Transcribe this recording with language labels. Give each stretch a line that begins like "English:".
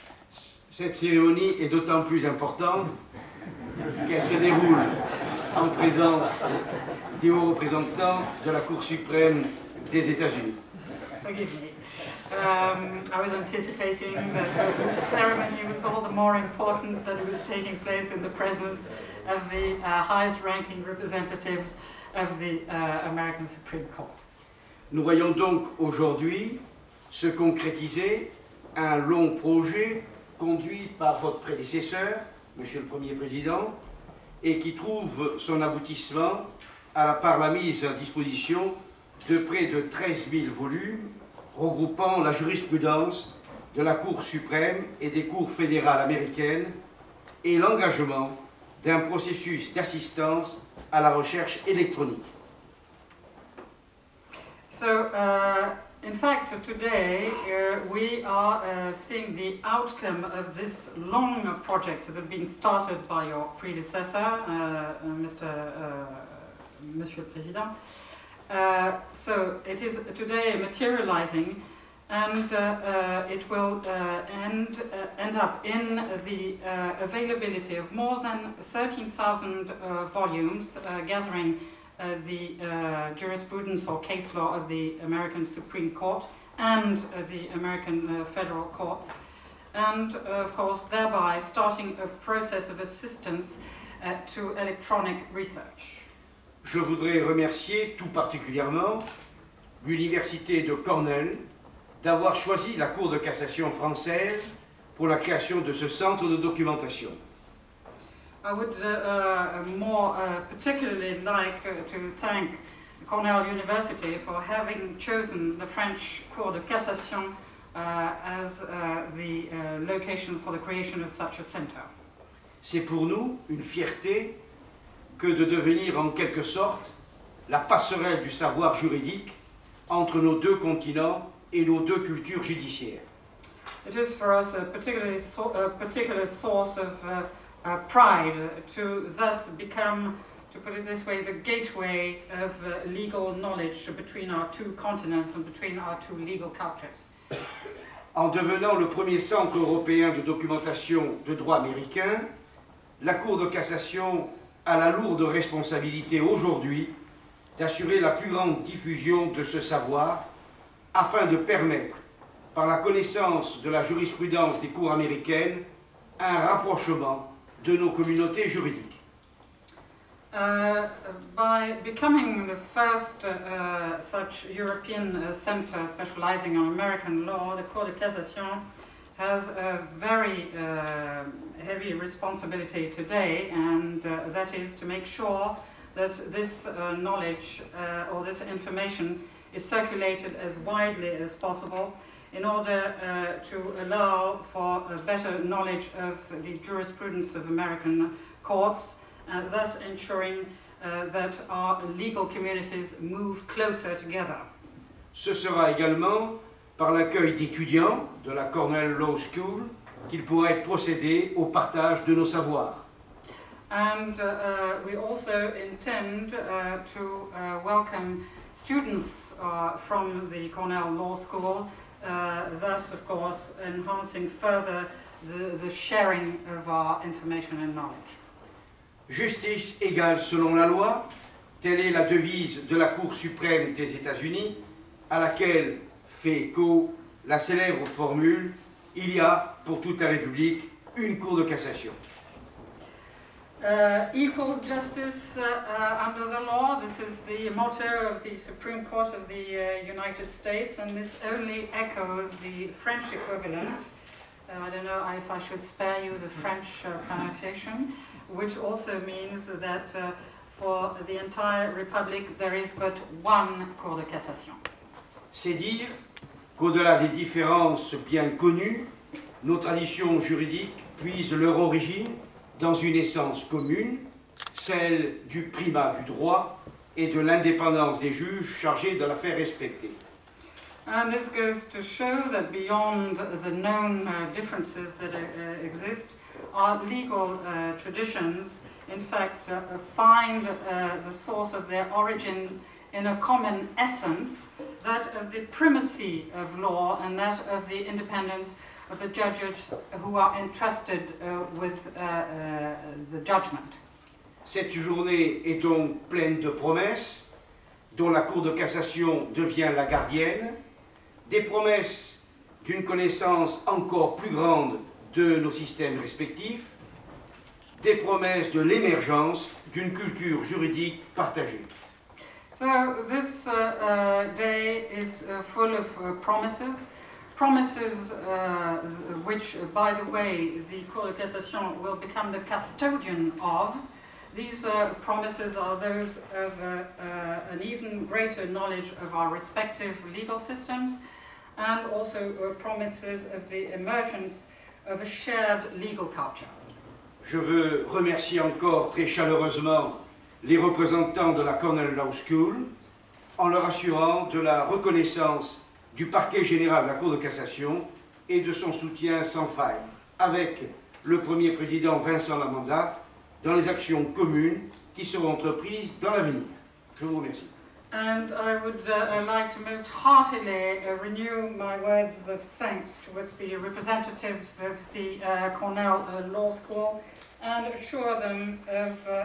French: Cette cérémonie est d'autant plus importante qu'elle se déroule en présence des hauts représentants de la Cour suprême des États-Unis.
English: Forgive me. I was anticipating that the ceremony was all the more important that it was taking place in the presence of the highest ranking representatives of the American Supreme Court.
French: Nous voyons donc aujourd'hui se concrétiser un long projet conduit par votre prédécesseur, Monsieur le Premier Président, et qui trouve son aboutissement par la mise à disposition de près de 13 000 volumes regroupant la jurisprudence de la Cour suprême et des cours fédérales américaines et l'engagement d'un processus d'assistance à la recherche électronique.
English: So, in fact, today we are seeing the outcome of this long project that had been started by your predecessor, Monsieur le Président. So, it is today materializing, and it will end up in the availability of more than 13,000 volumes gathering the jurisprudence or case law of the American Supreme Court and the American federal courts, and of course thereby starting a process of assistance to electronic research.
French: Je voudrais remercier tout particulièrement l'Université de Cornell d'avoir choisi la Cour de cassation française pour la création de ce centre de documentation.
English: I would more particularly like to thank Cornell University for having chosen the French Cour de Cassation as the location for the creation of such a center.
French: C'est pour nous une fierté que de devenir en quelque sorte la passerelle du savoir juridique entre nos deux continents et nos deux cultures judiciaires.
English: It is for us a particular source of pride to thus become, to put it this way, the gateway of legal knowledge between our two continents and between our two legal cultures.
French: En devenant le premier centre européen de documentation de droit américain, la Cour de cassation a la lourde responsabilité aujourd'hui d'assurer la plus grande diffusion de ce savoir afin de permettre, par la connaissance de la jurisprudence des cours américaines, un rapprochement de nos communautés juridiques.
English: By becoming the first such European center specializing on American law, the Cour de Cassation has a very heavy responsibility today, and that is to make sure that this knowledge or this information is circulated as widely as possible in order to allow for a better knowledge of the jurisprudence of American courts, and thus ensuring that our legal communities move closer together.
French: Ce sera également par l'accueil d'étudiants de la Cornell Law School qu'il pourra être procédé au partage de nos savoirs.
English: And we also intend to welcome students from the Cornell Law School, thus, of course, enhancing further the sharing of our information and knowledge.
French: Justice égale selon la loi, telle est la devise de la Cour suprême des États-Unis, à laquelle fait écho la célèbre formule « Il y a, pour toute la République, une Cour de cassation ».
English: Equal justice under the law. This is the motto of the Supreme Court of the United States, and this only echoes the French equivalent. I don't know if I should spare you the French pronunciation, which also means that for the entire Republic there is but one Cour de cassation.
French: C'est dire qu'au-delà des différences bien connues, nos traditions juridiques puisent leur origine dans une essence commune, celle du primat du droit et de l'indépendance des juges chargés de la faire respecter.
English: And this goes to show that beyond the known differences that exist, our legal traditions, in fact, find the source of their origin in a common essence, that of the primacy of law and that of the independence of the judges who are entrusted with the judgment.
French: Cette journée est donc pleine de promesses, dont la Cour de cassation devient la gardienne, des promesses d'une connaissance encore plus grande de nos systèmes respectifs, des promesses de l'émergence d'une culture juridique partagée.
English: So this day is full of promises. Promises which, by the way, the Cour de cassation will become the custodian of. These promises are those of an even greater knowledge of our respective legal systems, and also promises of the emergence of a shared legal culture.
French: Je veux remercier encore très chaleureusement les représentants de la Cornell Law School en leur assurant de la reconnaissance du parquet général de la Cour de cassation et de son soutien sans faille avec le premier président Vincent Lamanda dans les actions communes qui seront entreprises dans l'avenir. Je vous remercie.
English: And I would like to most heartily renew my words of thanks towards the representatives of the Cornell Law School and assure them of